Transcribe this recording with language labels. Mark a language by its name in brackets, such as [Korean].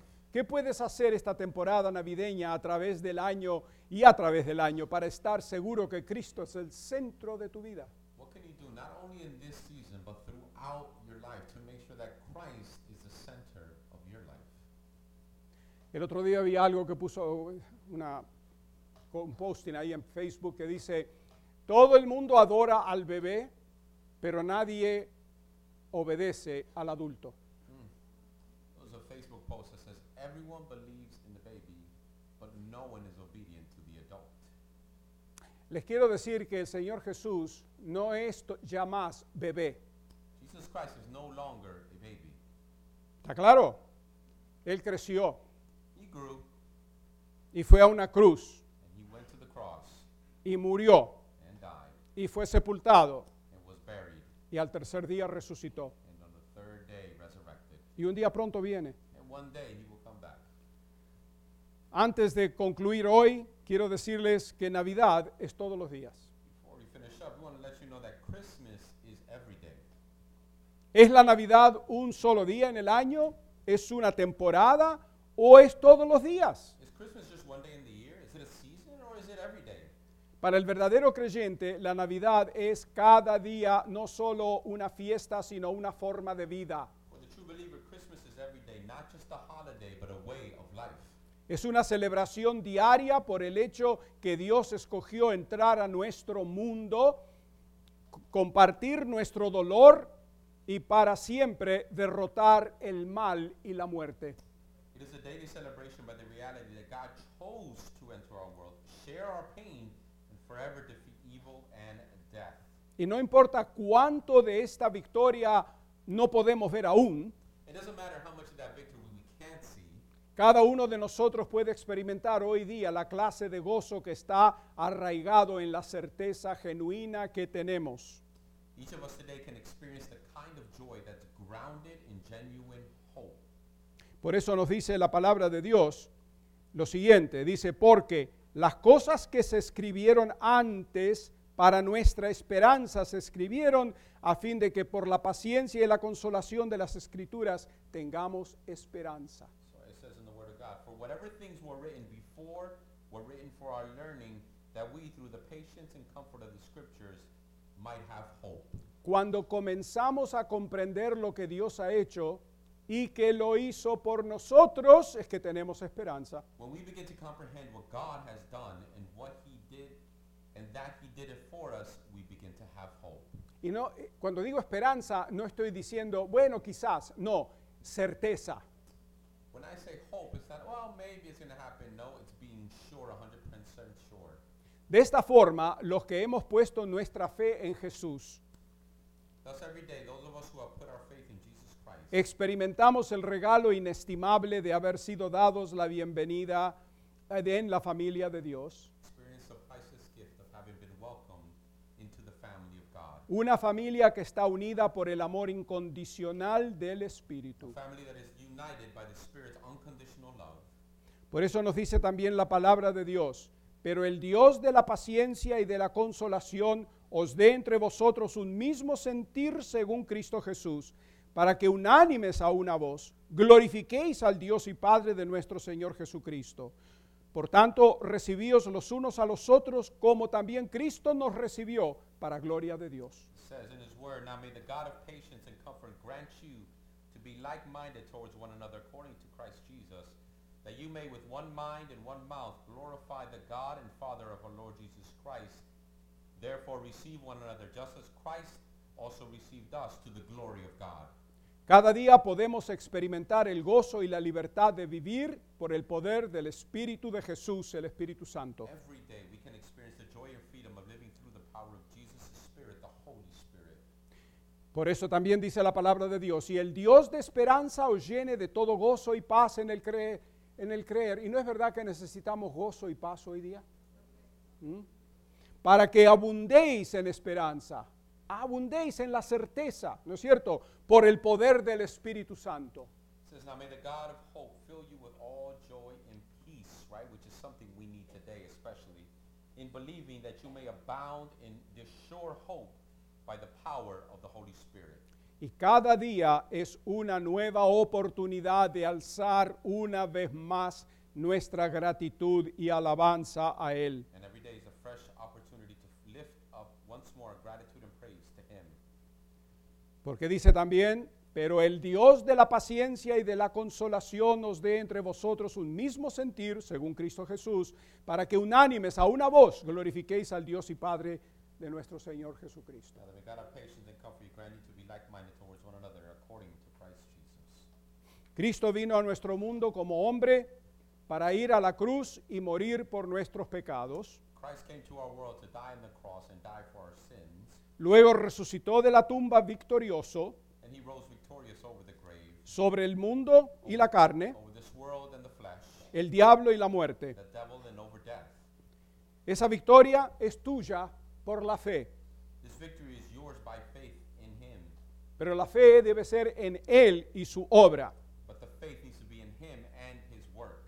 [Spanish] ¿Qué puedes hacer esta temporada navideña a través del año y a través del año para estar seguro que Cristo es el centro de tu vida? [English] What can you do not only in this season but throughout your life to make sure that Christ is the center of your life? [Spanish] El otro día vi algo que puso un posting ahí en Facebook que dice: todo el mundo adora al bebé, pero nadie obedece al adulto. [English] There was a Facebook post that says everyone believes in the baby, but no one is obedient to the adult. [Spanish] Les quiero decir que el Señor Jesús no es ya más bebé. [English] Jesus Christ is no longer a baby. [Spanish] ¿Está claro? Él creció. [English] He grew. [Spanish] Y fue a una cruz. [English] And he went to the cross. [Spanish] Y murió. [English] And died. [Spanish] Y fue sepultado. [English] And was buried. [Spanish] Y al tercer día resucitó. [English] And on the third day resurrected. [Spanish] Y un día pronto viene. [English] And one day he will come back. [Spanish] Antes de concluir hoy, quiero decirles que Navidad es todos los días. [English] Before we finish up, we want to let you know that Christmas is every day. [Spanish] ¿Es la Navidad un solo día en el año? ¿Es una temporada o es todos los días? [English] Is Christmas just one day in the year? Is it a season or is it every day? [Spanish] Para el verdadero creyente, la Navidad es cada día, no solo una fiesta, sino una forma de vida. [English] For the true believer, Christmas is every day, not just a holiday, but a way of life. [Spanish] Es una celebración diaria por el hecho que Dios escogió entrar a nuestro mundo, compartir nuestro dolor y para siempre derrotar el mal y la muerte. [English] It is a daily celebration by the reality that God chose to enter our world, share our pain, and forever defeat evil and death. [Spanish] Y no importa cuánto de esta victoria no podemos ver aún. [English] It doesn't matter how much of that victory we can't see. [Spanish] Cada uno de nosotros puede experimentar hoy día la clase de gozo que está arraigado en la certeza genuina que tenemos. [English] Each of us today can experience the kind of joy that's grounded in genuine hope. [Spanish] Por eso nos dice la palabra de Dios lo siguiente, dice, porque las cosas que se escribieron antes para nuestra esperanza se escribieron a fin de que por la paciencia y la consolación de las escrituras tengamos esperanza. [English] So it says in the word of God, for whatever things were written before were written for our learning, that we through the patience and comfort of the scriptures might have hope. [Spanish] Cuando comenzamos a comprender lo que Dios ha hecho y que lo hizo por nosotros, es que tenemos esperanza. [English] When we begin to comprehend what God has done and what he did and that he did it for us, we begin to have hope. [Spanish] Y no, cuando digo esperanza, no estoy diciendo, bueno, quizás, no, certeza. [English] When I say hope, it's not, well, maybe it's going to happen. No, it's being sure, 100% sure. [Spanish] De esta forma, los que hemos puesto nuestra fe en Jesús, [English] thus every day, those of us who have put our faith in Jesus Christ, [Spanish] experimentamos el regalo inestimable de haber sido dados la bienvenida en la familia de Dios. [English] Experience the priceless gift of having been welcomed into the family of God. [Spanish] Una familia que está unida por el amor incondicional del Espíritu. [English] A family that is united by the Spirit's unconditional love. [Spanish] Por eso nos dice también la palabra de Dios, pero el Dios de la paciencia y de la consolación os dé entre vosotros un mismo sentir según Cristo Jesús, para que unánimes a una voz glorifiquéis al Dios y Padre de nuestro Señor Jesucristo. Por tanto, recibíos los unos a los otros como también Cristo nos recibió para gloria de Dios. [English] It says in his word, now may the God of patience and comfort grant you to be like-minded towards one another according to Christ Jesus, that you may with one mind and one mouth glorify the God and Father of our Lord Jesus Christ. Therefore receive one another just as Christ also received us to the glory of God. [Spanish] Cada día podemos experimentar el gozo y la libertad de vivir por el poder del Espíritu de Jesús, el Espíritu Santo. [English] Every day we can experience the joy and freedom of living through the power of Jesus' Spirit, the Holy Spirit. [Spanish] Por eso también dice la palabra de Dios, y el Dios de esperanza os llene de todo gozo y paz en el creer. ¿Y no es verdad que necesitamos gozo y paz hoy día? Para que abundéis en esperanza, abundéis en la certeza, ¿no es cierto? Por el poder del Espíritu Santo. [English] It says, now may the God of hope fill you with all joy and peace, right? Which is something we need today, especially in believing that you may abound in this sure hope by the power of the Holy Spirit. [Spanish] Y cada día es una nueva oportunidad de alzar una vez más nuestra gratitud y alabanza a Él. [English] And every day is a fresh opportunity to lift up once more gratitude and praise to Him. [Spanish] Porque dice también, pero el Dios de la paciencia y de la consolación nos dé entre vosotros un mismo sentir, según Cristo Jesús, para que unánimes a una voz glorifiquéis al Dios y Padre de nuestro Señor Jesucristo. [English] Now that we got our patience and comfort, we grant you to be like-minded towards one another according to Christ Jesus. [Spanish] Cristo vino a nuestro mundo como hombre para ir a la cruz y morir por nuestros pecados. [English] Christ came to our world to die on the cross and die for our sins. [Spanish] Luego resucitó de la tumba victorioso. [English] And he rose victorious over the grave. [Spanish] Sobre el mundo y la carne. [English] Over the world and the flesh, [Spanish] el diablo y la muerte. [English] The devil and over death. [Spanish] Esa victoria es tuya por la fe. [English] This victory is yours by faith in him. [Spanish] Pero la fe debe ser en él y su obra. [English] But the faith needs to be in him and his work.